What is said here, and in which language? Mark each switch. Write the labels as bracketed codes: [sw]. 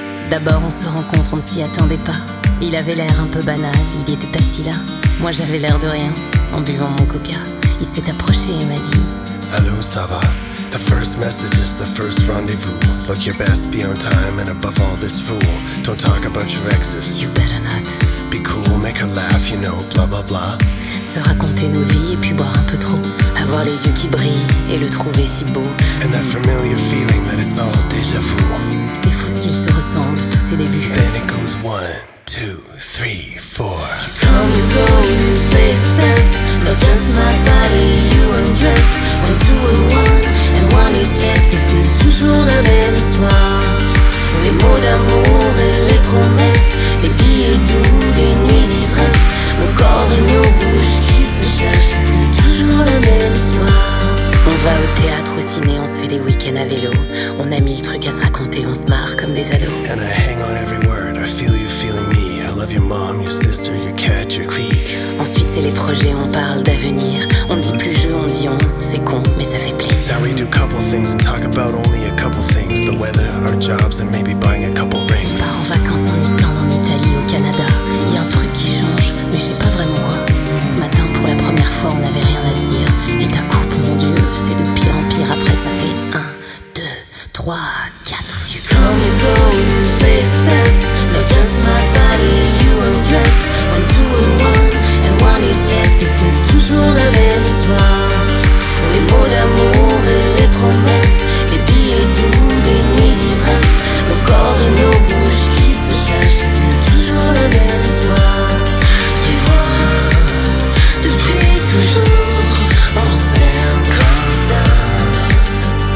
[fr] D'abord on se rencontre, on ne s'y attendait pas. Il avait l'air un peu banal, il était assis là. Moi j'avais l'air de rien, en buvant mon coca. Il s'est approché et m'a dit: salut, ça va? [en] The first message is the first rendezvous. Look your best, be on time, and above all this fool. Don't talk about your exes. You better not. Be cool, make her laugh, you know, blah blah blah. [fr] Se raconter nos vies et puis boire un peu trop. Avoir les yeux qui brillent et le trouver si beau. [en] And that familiar feeling that it's all déjà vu. [fr] C'est fou ce qu'ils se ressemblent, tous ces débuts. [en] Then it goes 1, 2, 3, 4. Come and go, you say it's best. Now dress my body, you undress. 1, 2, or 1, and 1 is left. [fr] Et c'est toujours la même histoire. Les mots d'amour et les promesses. Les billets doux, les nuits d'ivresse. Nos corps et nos bouches qui se cherchent. Et c'est toujours la même histoire. On va au théâtre, au ciné, on se fait des week-ends à vélo. On a mille trucs à se raconter, on se marre comme des ados. [en] And I hang on every word, I feel you feeling me. I love your mom, your sister, your cat, your clique. [fr] Ensuite c'est les projets, on parle d'avenir. On dit plus jeu, on dit on, c'est con, mais ça fait plaisir. [en] Now we do couple things and talk about only a couple things. The weather, our jobs, and maybe buying a couple rings. [fr] On part en vacances en Islande, en Italie, au Canada. Y'a un truc qui change, mais je sais pas vraiment quoi. Ce matin, pour la première fois, on avait rien à se dire. Et ta coupe, mon dieu, c'est de pire en pire. Après ça fait 1, 2, 3, 4. [en] You come and go, you say it's best. Now dress my body, you undress. 1, 2, or 1, and 1 is left. [fr] Et c'est toujours la même histoire. Les mots d'amour et les promesses. Les billets doux, les nuits d'ivresse. Nos corps et nos bouches qui se cherchent. Et c'est toujours la même histoire. Tu vois, depuis toujours, on s'aime comme ça.